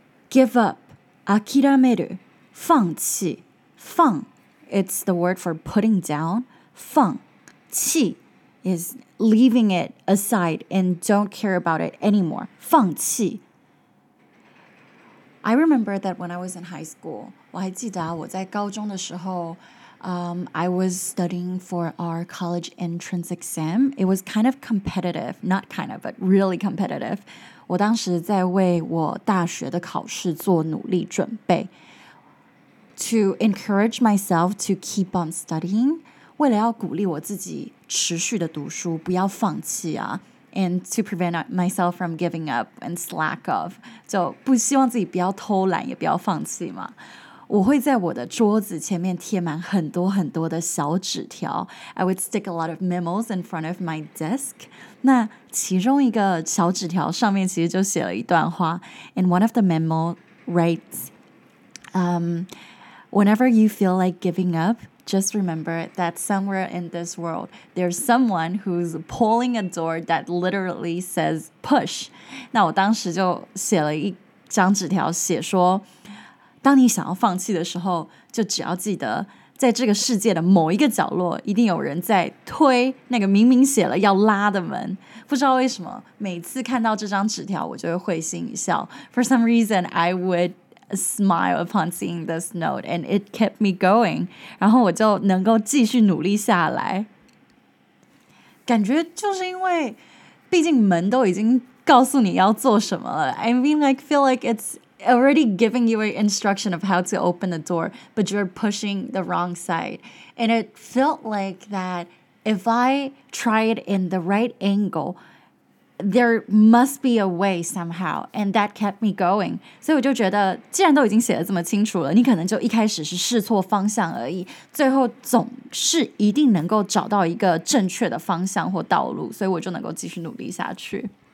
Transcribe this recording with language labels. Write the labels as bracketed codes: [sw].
[en] Give up, 諦める, 放弃, 放, it's the word for putting down, 放, 弃, is leaving it aside and don't care about it anymore, 放弃. I remember that when I was in high school, [zh] 我还记得我在高中的时候, [en] I was studying for our college entrance exam. It was kind of competitive, not kind of, but really competitive. [zh] 我当时在为我大学的考试做努力准备。 [en] To encourage myself to keep on studying, [zh] 为了要鼓励我自己持续的读书，不要放弃啊。 [en] And to prevent myself from giving up and slack off, [zh] 就不希望自己不要偷懒，也不要放弃嘛。我会在我的桌子前面贴满很多很多的小纸条。 [en] I would stick a lot of memos in front of my desk. [zh] 那其中一个小纸条上面其实就写了一段话。 [en] And one of the memo writes, whenever you feel like giving up, just remember that somewhere in this world, there's someone who's pulling a door that literally says push. [zh] 那我当时就写了一张纸条写说，当你想要放弃的时候，就只要记得，在这个世界的某一个角落，一定有人在推那个明明写了要拉的门。不知道为什么，每次看到这张纸条，我就会会心一笑。 [en] For some reason, I would smile upon seeing this note, and it kept me going. [zh] 然后我就能够继续努力下来。感觉就是因为，毕竟门都已经告诉你要做什么了。 [en] I mean, like, feel like it'salready giving you an instruction of how to open the door, but you're pushing the wrong side. And it felt like that if I try it in the right angle, there must be a way somehow, and that kept me going. [zh] 所以我就觉得，既然都已经写得这么清楚了，你可能就一开始是试错方向而已，最后总是一定能够找到一个正确的方向或道路，所以我就能够继续努力下去。